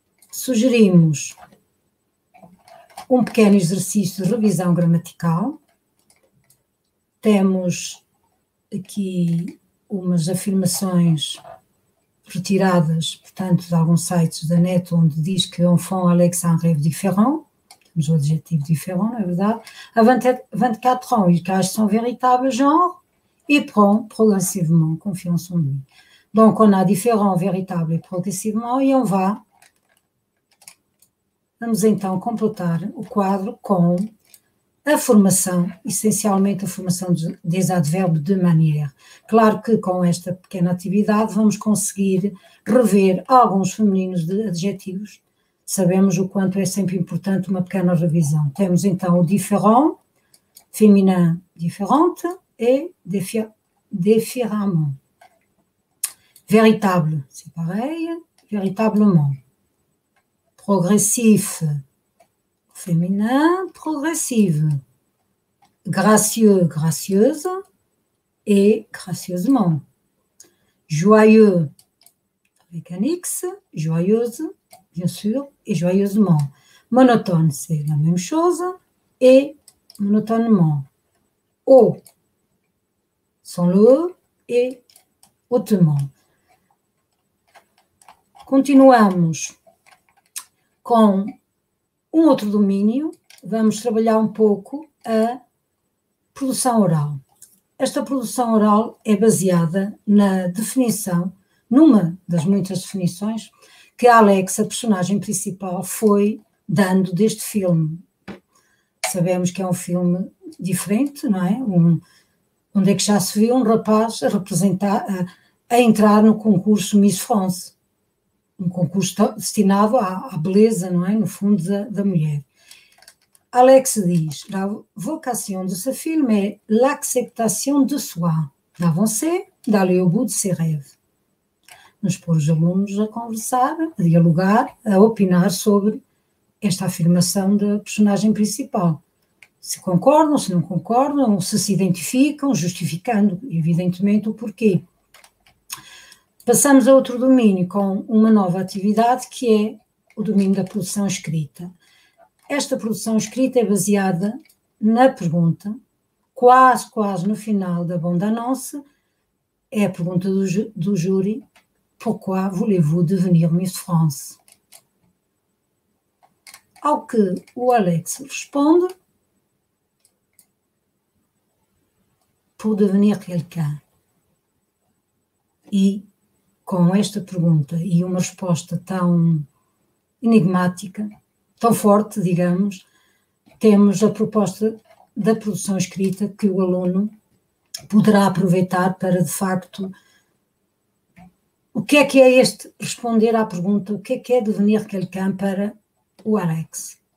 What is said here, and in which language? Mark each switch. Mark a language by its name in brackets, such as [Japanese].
[Portuguese] Sugerimos um pequeno exercício de revisão gramatical. Temos aqui umas afirmações retiradas, portanto, de alguns sites da net, onde diz que [French] enfant Alex a un rêve différent, [Portuguese] temos o adjetivo différent, não é verdade? [French] A 24 ans, il cache son véritable genre, et prend progressivement confiance en lui. Donc, on a différent, véritable et progressivement, et on va, [Portuguese] vamos então completar o quadro com a formação, essencialmente a formação [French] des adverbes de manière. [Portuguese] Claro que com esta pequena atividade vamos conseguir rever alguns femininos de adjetivos. Sabemos o quanto é sempre importante uma pequena revisão. Temos então o différent, [French] féminin, différente, [Portuguese] e [French] différemment. Véritable, c'est pareil, véritablement. Progressif, féminin, progressive. Gracieux, gracieuse, et gracieusement. Joyeux, avec un X, joyeuse, bien sûr, et joyeusement. Monotone, c'est la même chose, et monotonement. Haut, sans le E, et hautement. [Portuguese] Continuamos com um outro domínio. Vamos trabalhar um pouco a produção oral. Esta produção oral é baseada na definição, numa das muitas definições, que a Alex, a personagem principal, foi dando deste filme. Sabemos que é um filme diferente, não é? Onde é que já se viu um rapaz a representar, a entrar no concurso Miss France? Um concurso destinado à beleza, não é? No fundo, da mulher. [French] Alex diz, la vocation de ce film est l'acceptation de soi, d'avancer, d'aller au bout de ses rêves. [Portuguese] Nos pôr os alunos a conversar, a dialogar, a opinar sobre esta afirmação da personagem principal. Se concordam, se não concordam, se se identificam, justificando, evidentemente, o porquê. Passamos a outro domínio com uma nova atividade, que é o domínio da produção escrita. Esta produção escrita é baseada na pergunta, quase no final da Bonda Nossa, é a pergunta do júri: [French] Pourquoi voulez-vous devenir Miss France? [Portuguese] Ao que o Alex responde: [French] Pour devenir quelqu'un. [Portuguese] E com esta pergunta e uma resposta tão enigmática, tão forte, digamos, temos a proposta da produção escrita que o aluno poderá aproveitar para, de facto, o que é este responder à pergunta, o que é [French] devenir quelqu'un [Portuguese] para o Alex.